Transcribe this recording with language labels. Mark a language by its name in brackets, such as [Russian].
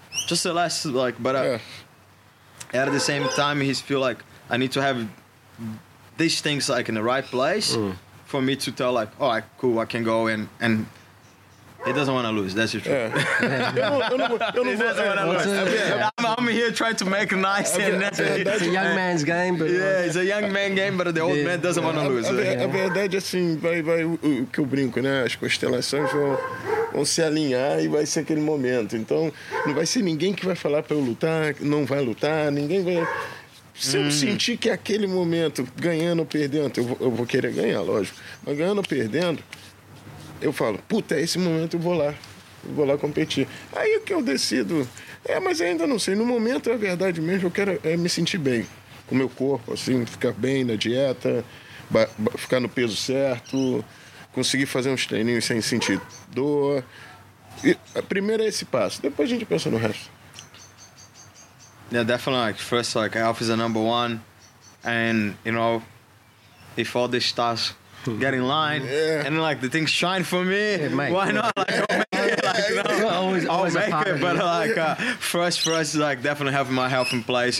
[English] Just the last, like, but at the same time, he's feel like, I need to have these things like in the right place for me to tell like, all right, cool, I can go and he doesn't want to lose. That's the truth. Yeah. I'm here trying to make it nice. It's a young man's game, but It's a young man game, but the old man doesn't want to lose. [Portuguese] A verdade assim, vai o que eu brinco, né? As constelações vão se alinhar e vai ser aquele momento. Então, não vai ser ninguém que vai falar para eu lutar, não vai lutar, ninguém vai. Se eu sentir que aquele momento, ganhando ou perdendo, eu vou querer ganhar, lógico, mas ganhando ou perdendo, eu falo, puta, é esse momento, eu vou lá competir. Aí é que eu decido, mas ainda não sei, no momento é a verdade mesmo, eu quero me sentir bem com o meu corpo, assim, ficar bem na dieta, ficar no peso certo, conseguir fazer uns treininhos sem sentir dor. Primeiro é esse passo, depois a gente pensa no resto. [English] Yeah, definitely. Like, first, like, health is the number one. And, you know, if all this starts getting in line, yeah, and, like, the things shine for me, yeah, why not? Like, I'll make it. Like, you know, always I'll make it. But, like, first, like, definitely having my health in place.